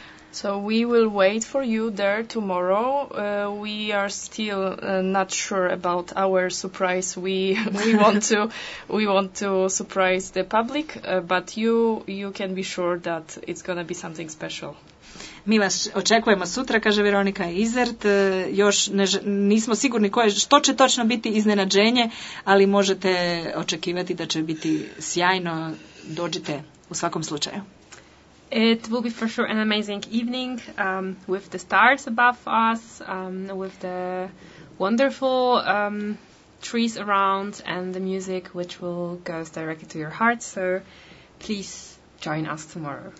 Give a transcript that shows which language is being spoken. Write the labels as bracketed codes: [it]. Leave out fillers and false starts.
[en] So we will wait for you there tomorrow. We are still not sure about our surprise. We want to surprise the public, but you can be sure that it's going to be something special. [hr] Mi vas očekujemo sutra, kaže Veronika Izert. Još nismo sigurni što će točno biti iznenađenje, ali možete očekivati da će biti sjajno. Dođite u svakom slučaju. [en] It will be for sure an amazing evening with the stars above us, with the wonderful trees around and the music which will go directly to your heart. So please join us tomorrow.